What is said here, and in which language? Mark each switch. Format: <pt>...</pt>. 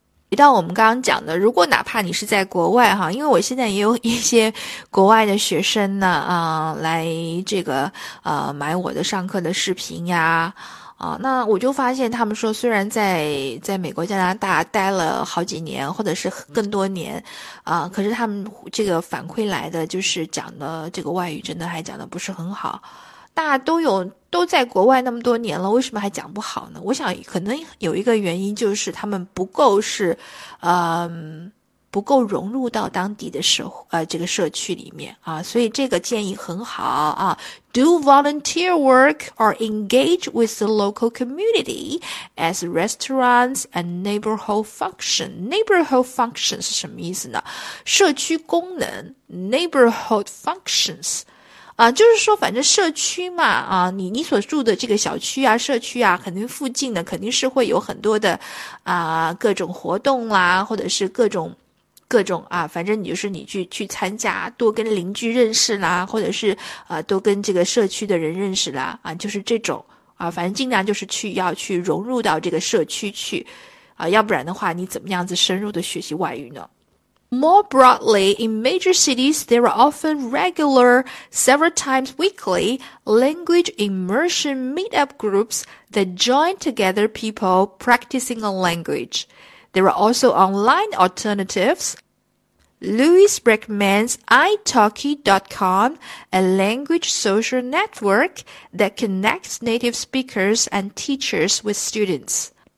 <zh>回到我们刚刚讲的，如果哪怕你是在国外哈，因为我现在也有一些国外的学生呢，来这个买我的上课的视频呀，那我就发现他们说，虽然在美国、加拿大待了好几年，或者是更多年，可是他们这个反馈来的就是讲的这个外语真的还讲的不是很好。大家都在国外那么多年了，为什么还讲不好呢？我想可能有一个原因，就是他们不够融入到当地的这个社区里面啊，所以这个建议很好啊。</zh> <en>Do volunteer work or engage with the local community as restaurants and neighborhood function. Neighborhood function</en> <zh>是什么意思呢？社区功能 ,</zh> <en>neighborhood functions,</en> <zh>就是说反正社区嘛，你所住的这个小区啊，社区啊，肯定附近的肯定是会有很多的各种活动啦，或者是各种啊，反正你就是你去参加，多跟邻居认识啦，或者是多跟这个社区的人认识啦，就是这种啊，反正尽量就是要去融入到这个社区去啊，要不然的话你怎么样子深入的学习外语呢？</zh> <en>More broadly, in major cities, there are often regular, several times weekly, language immersion meetup groups that join together people practicing a language. There are also online alternatives. Louis recommends italki.com, a language social network that connects native speakers and teachers with students.</en>